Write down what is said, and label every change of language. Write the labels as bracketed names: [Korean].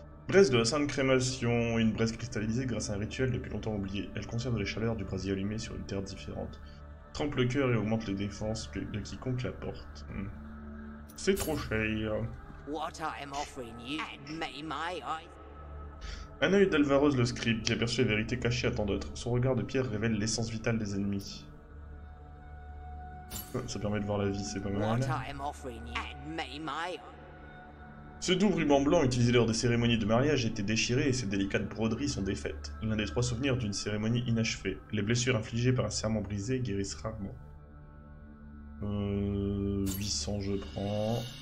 [French] Braise de la sainte crémation, une braise cristallisée grâce à un rituel depuis longtemps oublié. Elle conserve les chaleurs du brasier allumé sur une terre différente. Trempe le cœur et augmente les défenses de quiconque la porte. C'est trop cher. [English] What I am offering you, and may my eyes... [French] Un œil d'Alvarez le scribe qui aperçoit les vérités cachées à tant d'autres. Son regard de pierre révèle l'essence vitale des ennemis. Ça permet de voir la vie, c'est pas mal. [English] What I am offering you, and may my... [French] Ce doux ruban blanc utilisé lors des cérémonies de mariage était déchiré et ses délicates broderies sont défaites. L'un des trois souvenirs d'une cérémonie inachevée. Les blessures infligées par un serment brisé guérissent rarement. 800 je prends.